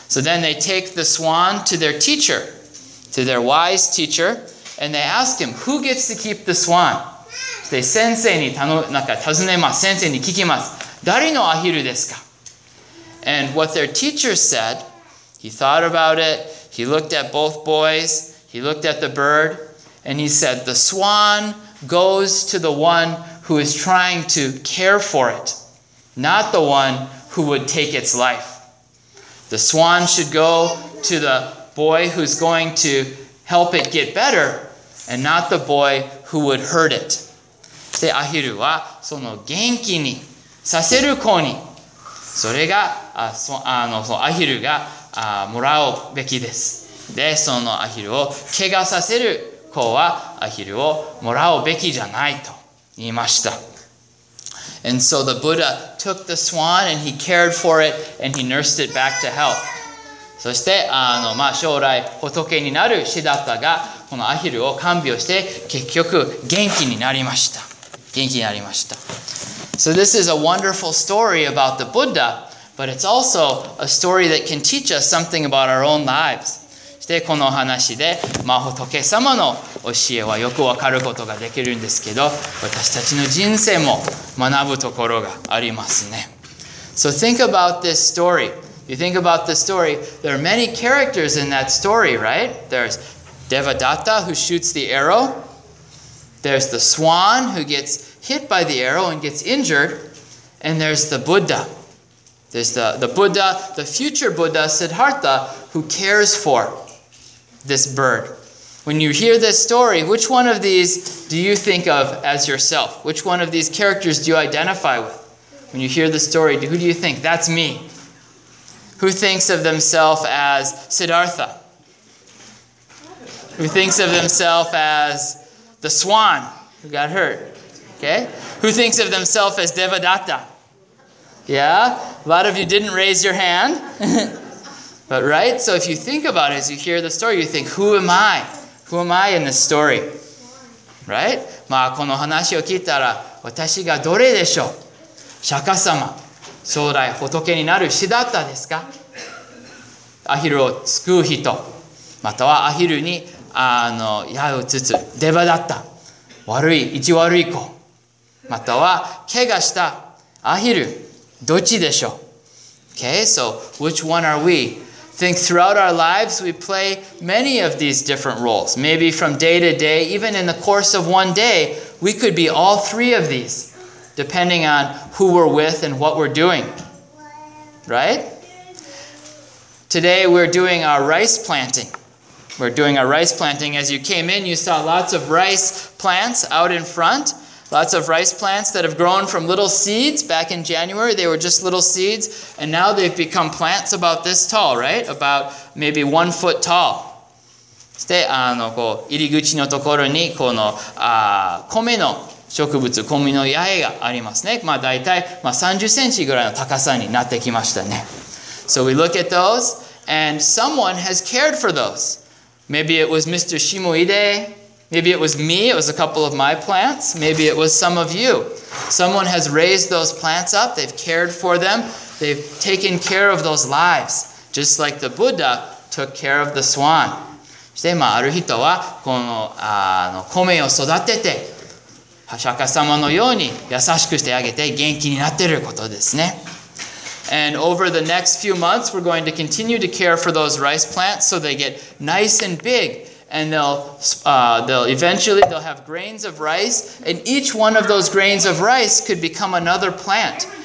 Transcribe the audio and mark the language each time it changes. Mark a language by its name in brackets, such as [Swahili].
[English] So then they take the swan to their teacher, to their wise teacher, and they ask him, who gets to keep the swan? [Japanese] で、先生に尋ねます。先生に聞きます。誰のアヒルですか? [English] And what their teacher said, he thought about it, he looked at both boys, he looked at the bird, and he said, the swan goes to the one who is trying to care for it, not the one who would take its life. The swan should go to the boy who's going to help it get better, and not the boy who would hurt it. [Japanese] で、アヒルはその元気にさせる子に、それがそのアヒルがもらうべきです。で、そのアヒルを怪我させる子はアヒルをもらうべきじゃないと言いました。 [English] And so the Buddha took the swan and he cared for it and he nursed it back to health. [Japanese] そして将来仏になるシダッタがこのアヒルを看病して結局元気になりました。元気になりました。 [English] So this is a wonderful story about the Buddha, but it's also a story that can teach us something about our own lives. [Japanese] そしてこの話で、仏様の教えはよくわかることができるんですけど、私たちの人生も学ぶところがありますね。 [English] So think about this story. You think about the story, there are many characters in that story, right? There's Devadatta who shoots the arrow. There's the swan who gets hit by the arrow and gets injured, and there's the Buddha. There's the Buddha, the future Buddha, Siddhartha, who cares for this bird. When you hear this story, which one of these do you think of as yourself? Which one of these characters do you identify with? When you hear the story, who do you think? That's me. Who thinks of themselves as Siddhartha? Who thinks of themselves as the swan who got hurt? Okay. Who thinks of themselves as Devadatta? Yeah? A lot of you didn't raise your hand. But right? So if you think about it, as you hear the story, you think, who am I? Who am I in this story? Right? [Japanese] この話を聞いたら、私がどれでしょう? 釈迦様、将来仏になる師だったですか？アヒルを救う人、またはアヒルに矢を打つ出歯だった悪い、意地悪い子、または怪我したアヒル、どっちでしょう？ [English] Okay, so which one are we? Think throughout our lives, we play many of these different roles. Maybe from day to day, even in the course of one day, we could be all three of these, depending on who we're with and what we're doing. Right? Today, we're doing our rice planting. We're doing our rice planting. As you came in, you saw lots of rice plants out in front. Lots of rice plants that have grown from little seeds. Back in January, they were just little seeds. And now they've become plants about this tall, right? About maybe 1 foot tall. [Japanese] そして、こう、入り口のところに、この、米の植物、米の八重がありますね。まあ、大体、まあ、30センチぐらいの高さになってきましたね。 [English] So we look at those, and someone has cared for those. Maybe it was Mr. Shimoide. Maybe it was me, it was a couple of my plants. Maybe it was some of you. Someone has raised those plants up, they've cared for them, they've taken care of those lives, just like the Buddha took care of the swan. [Japanese] そして、まあ、ある人はこの、米を育てて、お釈迦様のように優しくしてあげて元気になっていることですね。 [English] And over the next few months, we're going to continue to care for those rice plants so they get nice and big. And they'll eventually have grains of rice, and each one of those grains of rice could become another plant.